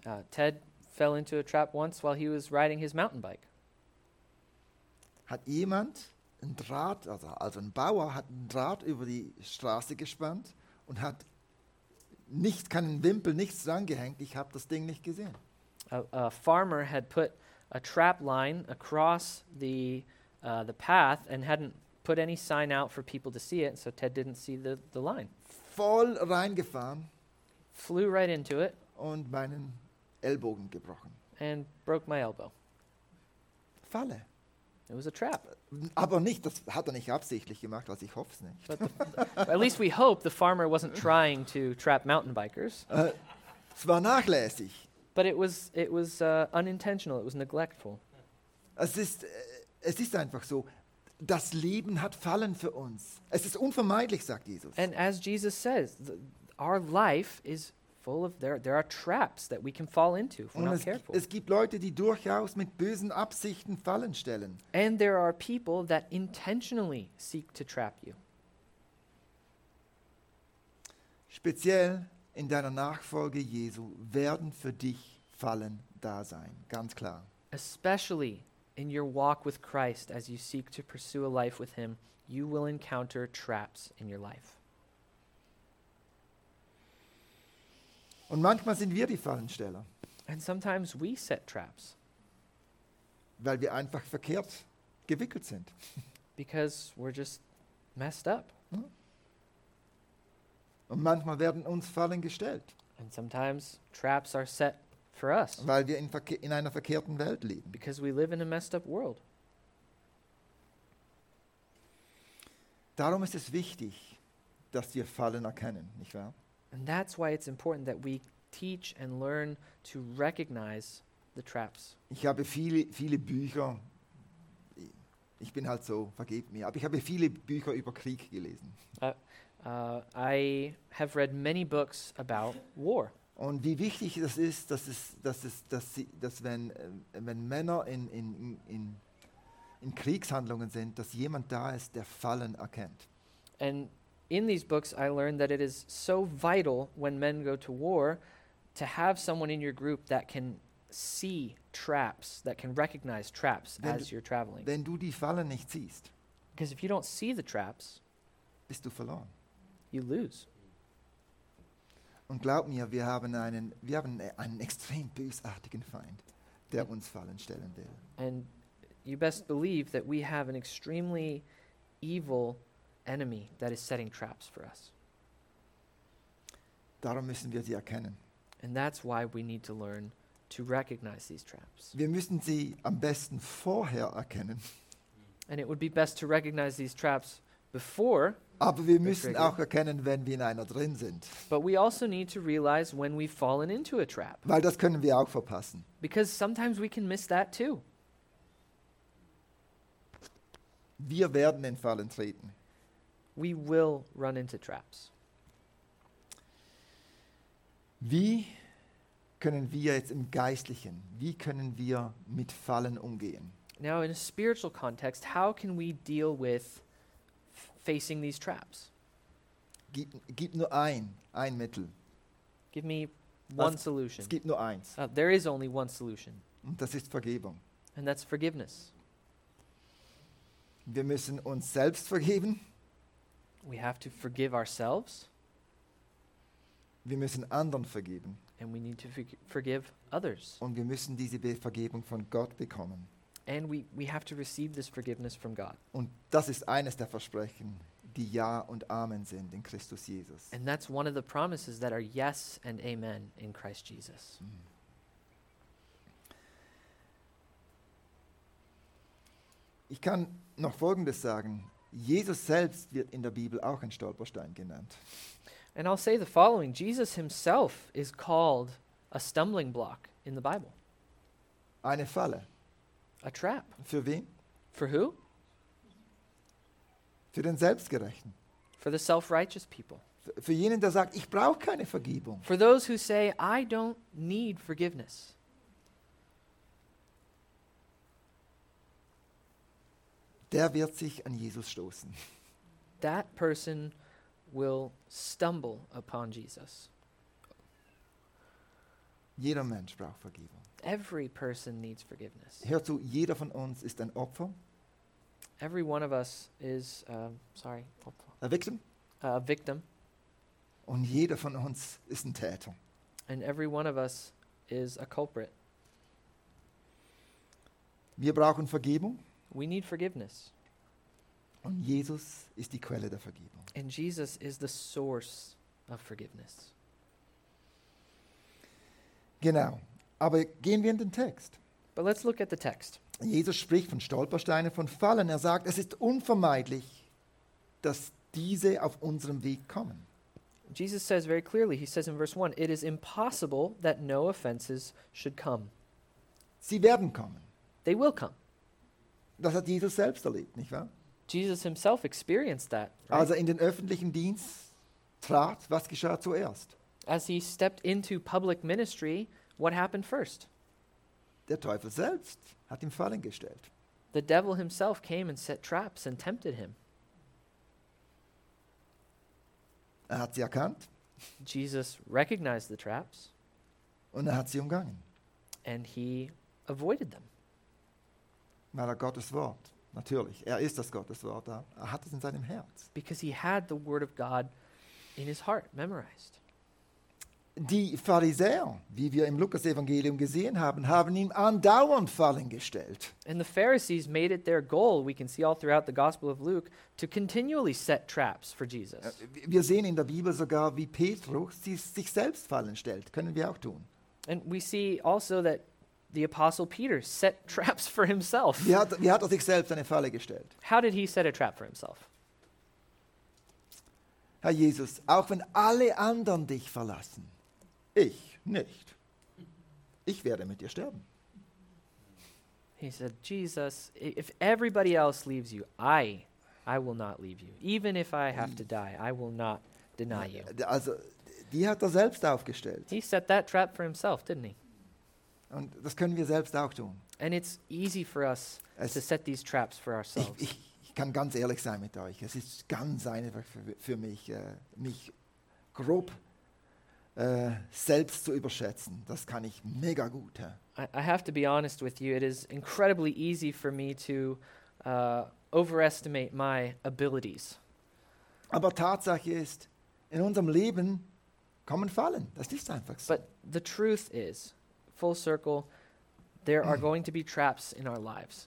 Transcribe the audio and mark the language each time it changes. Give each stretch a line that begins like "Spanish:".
English: Ted fell into a trap once while he was riding his mountain bike.
German: Hat jemand ein Draht, also ein Bauer hat ein Draht über die Straße gespannt und hat keinen Wimpel, nichts dran gehängt. Ich habe das Ding nicht gesehen.
English: A farmer had put a trap line across the path and hadn't put any sign out for people to see it, so Ted didn't see the line.
German: Voll reingefahren.
English: Flew right into it.
German: Und meinen Ellbogen gebrochen.
English: And broke my elbow.
German: Falle.
English: It was a trap.
German: Aber nicht, das hat nicht absichtlich gemacht, also ich hoffe es nicht.
English: At least we hope the farmer wasn't trying to trap mountain bikers.
German: Es war nachlässig.
English: But it was unintentional, it was neglectful.
German: Es ist einfach so. Das Leben hat Fallen für uns. Es ist unvermeidlich, sagt Jesus.
English: And as Jesus says, our life is full of, there are traps that we can fall into if we're not careful.
German: Es gibt Leute, die durchaus mit bösen Absichten Fallen stellen.
English: And there are people that intentionally seek to trap you.
German: Speziell in deiner Nachfolge Jesu werden für dich Fallen da sein, ganz klar.
English: Especially in your walk with Christ as you seek to pursue a life with him, you will encounter traps in your life.
German: Und manchmal sind wir die Fallensteller.
English: And sometimes we set traps.
German: Weil wir einfach verkehrt gewickelt sind.
English: Because we're just messed up.
German: Und manchmal werden uns Fallen gestellt.
English: And sometimes traps are set for us.
German: Weil wir in einer verkehrten Welt leben.
English: Because we live in a messed up world.
German: Darum ist es wichtig, dass wir Fallen erkennen, nicht wahr?
English: And that's why it's important that we teach and learn to recognize the traps.
German: Ich habe viele, viele Bücher. Ich bin halt so, vergib mir. Aber ich habe viele Bücher über Krieg gelesen.
English: I have read many books about war.
German: Und wie wichtig das ist, dass wenn Männer in Kriegshandlungen sind, dass jemand da ist, der Fallen erkennt.
English: And in these books I learned that it is so vital when men go to war to have someone in your group that can see traps, that can recognize traps as you're traveling.
German: Wenn du die Fallen nicht siehst,
English: because if you don't see the traps,
German: bist du verloren.
English: You lose.
German: Und glaub mir, wir haben einen extrem bösartigen Feind, der uns Fallen stellen will.
English: And you best believe that we have an extremely evil enemy that is setting traps for us.
German: Darum müssen wir sie erkennen.
English: And that's why we need to learn to recognize these traps.
German: Wir müssen sie am besten vorher erkennen.
English: And it would be best to recognize these traps before.
German: Aber wir müssen auch erkennen, wenn wir in einer drin sind.
English: But we also need to realize when we've fallen into a trap.
German: Weil das können wir auch verpassen.
English: Because sometimes we can miss that too.
German: Wir werden in Fallen treten.
English: We will run into traps.
German: Wie können wir jetzt im Geistlichen, wie können wir mit Fallen umgehen?
English: Now in a spiritual context, how can we deal with facing these traps?
German: Gib nur ein Mittel.
English: Give me one solution.
German: Es gibt nur eins.
English: There is only one solution.
German: Und das ist Vergebung.
English: And that's forgiveness.
German: Wir müssen uns selbst vergeben.
English: We have to forgive ourselves.
German: Wir müssen anderen vergeben.
English: And we need to forgive others.
German: Und wir müssen diese Vergebung von Gott bekommen.
English: And we have to receive this forgiveness from God.
German: Und das ist eines der Versprechen, die Ja und Amen sind in Christus Jesus.
English: And that's one of the promises that are yes and amen in Christ Jesus.
German: Ich kann noch Folgendes sagen. Jesus selbst wird in der Bibel auch ein Stolperstein genannt.
English: And I'll say the following. Jesus himself is called a stumbling block in the Bible.
German: Eine Falle.
English: A trap.
German: Für wen?
English: For who?
German: Für den Selbstgerechten.
English: For the self-righteous people.
German: Für jenen, der sagt, ich brauche keine Vergebung.
English: For those who say, I don't need forgiveness.
German: Der wird sich an Jesus stoßen.
English: That person will stumble upon Jesus.
German: Jeder Mensch braucht Vergebung.
English: Every person needs forgiveness.
German: Hör zu, jeder von uns ist ein Opfer.
English: Every one of us is, sorry, Opfer. A victim. A victim.
German: Und jeder von uns ist ein Täter.
English: And every one of us is a culprit.
German: Wir brauchen Vergebung.
English: We need forgiveness.
German: Und Jesus ist die Quelle der Vergebung.
English: And Jesus is the source of forgiveness.
German: Genau. Aber gehen wir in den Text.
English: But let's look at the text.
German: Jesus spricht von Stolpersteinen, von Fallen. Er sagt, es ist unvermeidlich, dass diese auf unserem Weg kommen.
English: Jesus says very clearly, he says in verse 1, it is impossible that no offenses should come.
German: Sie werden kommen.
English: They will come.
German: Das hat Jesus selbst erlebt, nicht wahr?
English: Jesus himself experienced that. Right?
German: Als er in den öffentlichen Dienst trat, was geschah zuerst?
English: As he stepped into public ministry, what happened first?
German: Der Teufel selbst hat ihm Fallen gestellt.
English: The devil himself came and set traps and tempted him.
German: Er hat sie erkannt.
English: Jesus recognized the traps.
German: Und er hat sie umgangen.
English: And he avoided them.
German: Weil er Gottes Wort Natürlich, er ist das Gotteswort da. Er hat es in seinem Herz.
English: Because he had the word of God in his heart memorized.
German: Die Pharisäer, wie wir im Lukas-Evangelium gesehen haben, haben ihm andauernd Fallen gestellt.
English: And the Pharisees made it their goal, we can see all throughout the Gospel of Luke, to continually set traps for Jesus.
German: Wir sehen in der Bibel sogar, wie Petrus sich selbst Fallen stellt. Können wir auch tun.
English: And we see also that the Apostle Peter set traps for himself.
German: Wie hat er sich selbst eine Falle gestellt?
English: How did he set a trap for himself?
German: Herr Jesus, auch wenn alle anderen dich verlassen, ich nicht. Ich werde mit dir sterben.
English: He said, Jesus, if everybody else leaves you, I will not leave you. Even if I have to die, I will not deny you.
German: Also, die hat er selbst aufgestellt.
English: He set that trap for himself, didn't he?
German: Und das können wir selbst auch tun.
English: And it's easy for us to set these traps for ourselves.
German: Ich kann ganz ehrlich sein mit euch. Es ist ganz einfach für mich, mich grob selbst zu überschätzen. Das kann ich mega gut.
English: I have to be honest with you. It is incredibly easy for me to overestimate my abilities.
German: Aber Tatsache ist, in unserem Leben kommen Fallen. Das ist einfach so.
English: But the truth is, full circle, there are going to be traps in our lives,